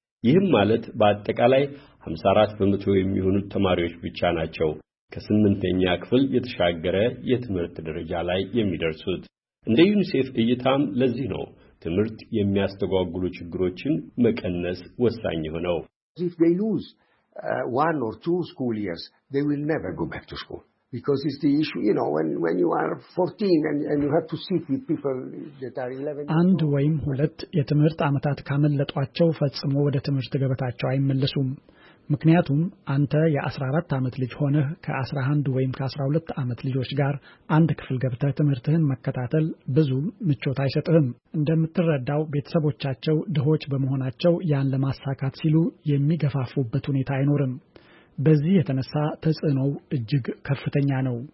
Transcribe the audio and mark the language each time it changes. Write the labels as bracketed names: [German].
[Amharic] ይህም ማለት በአጠቃላይ 54% የሚሆኑት ተማሪዎች ብቻ ናቸው ከ8ኛ ክፍል የተሻገረ የትምህርት ደረጃ ላይ የሚደርሱት። እንደ ዩኒሴፍ እይታም ለዚህ ነው ትምህርት የሚያስተጓጉሉ ችግሮችን መቀነስ ወሳኝ ሆነው። [English] If they lose one or two school years, they will never go back to school. Because it's the issue, you know, when you are 14 and you have to sit with people that are 11. [Amharic] And ወይም ሁለት የትምህርት አመታት ካመለጧቸው ፈጽሞ ወደ ትምህርት ገበታቸው አይመለሱም። ምክንያቱም አንተ የ14 አመት ልጅ ሆነህ ከ11 ወይም ከ12 አመት ልጆች ጋር አንድ ክፍል ገብተህ ትምህርትህን መከታተል ብዙ ምቾት አይሰጥህም። እንደምትረዳው ቤተሰቦቻቸው ድሆች በመሆናቸው ያን ለማሳካት ሲሉ የሚገፋፉበት ሁኔታ አይኖርም። በዚህ የተነሳ ተጽዕኖው እጅግ ከፍተኛ ነው።